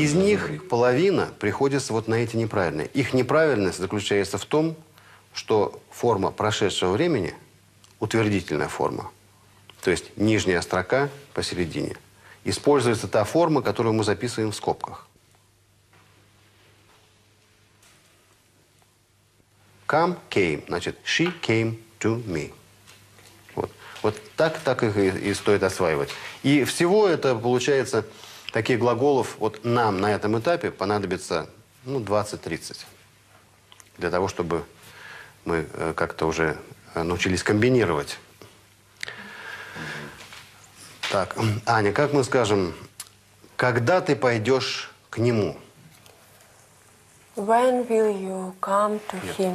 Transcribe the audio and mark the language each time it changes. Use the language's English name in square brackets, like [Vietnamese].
[Russian] Из них половина приходится вот на эти неправильные. Их неправильность заключается в том, что форма прошедшего времени, утвердительная форма, то есть нижняя строка посередине, используется та форма, которую мы записываем в скобках. [English] Come came, значит, she came to me. [Russian] Вот, вот так, так их и стоит осваивать. И всего это, получается, таких глаголов вот нам на этом этапе понадобится, ну, 20-30. Для того, чтобы мы как-то уже научились комбинировать. Так, Аня, как мы скажем, когда ты пойдешь к нему? [English] When will you come to him?